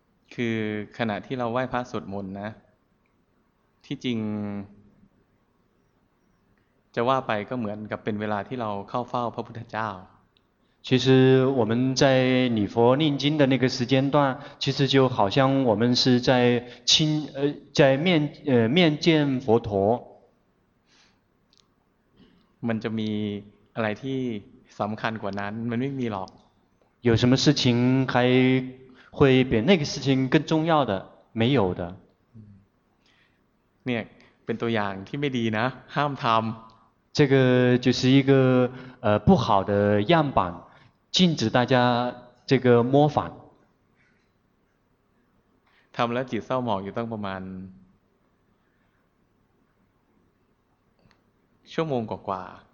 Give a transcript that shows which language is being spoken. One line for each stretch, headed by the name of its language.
Thai: คือขณะที่เราไหว้พระสวดมนต์นะที่จริงจะว่าไปก็เหมือนกับเป็นเวลาที่เราเข้าเฝ้าพระพุทธเจ้า
Chinese: 其实我们在礼佛念经的那个时间段，其实就好像我们是在亲在面面见佛陀。
Thai: มันจะมีอะไรที่สำคัญกว่านั้นมันไม่มีหรอก
Chinese: 有什么事情还会比那个事情更重要的？没有的。
Thai: เนี่ยเป็นตัวอย่างที่ไม่ดีนะห้ามทำ
Chinese: 这个就是一个不好的样板，禁止大家这个模仿。
Thai: ทำแล้วจิตเศร้าหมองอยู่ตั้งประมาณชั่วโมงกว่า